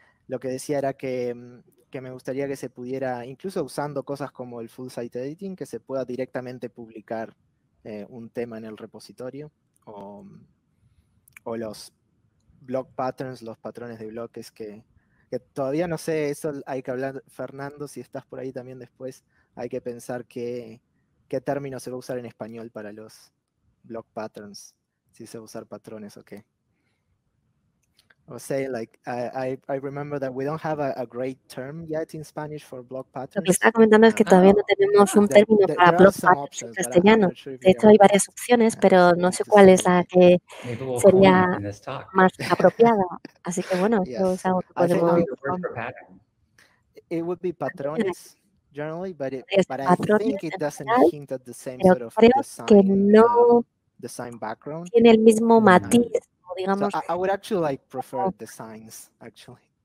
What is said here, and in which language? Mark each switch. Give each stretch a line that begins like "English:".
Spanish: Lo que decía era que me gustaría que se pudiera, incluso usando cosas como el full site editing, que se pueda directamente publicar un tema en el repositorio o los blog patterns, los patrones de bloques que todavía no sé, eso hay que hablar, Fernando, si estás por ahí también después, hay que pensar qué término se va a usar en español para los block patterns, si se va a usar patrones o qué.
English: O say like I remember that we don't have a great term yet in Spanish for block patterns.
Spanish: Lo que está comentando es que todavía no tenemos un término para block patterns en castellano. De hecho, hay varias opciones, pero no sé cuál es la que sería más apropiada. Así que bueno, eso es algo que podemos.
English: It would be patrones generally, but I think it doesn't hint at the same sort of design.
Spanish: Creo que no
English: design background.
Spanish: Tiene el mismo matiz. Digamos,
English: so I would actually like prefer designs, actually.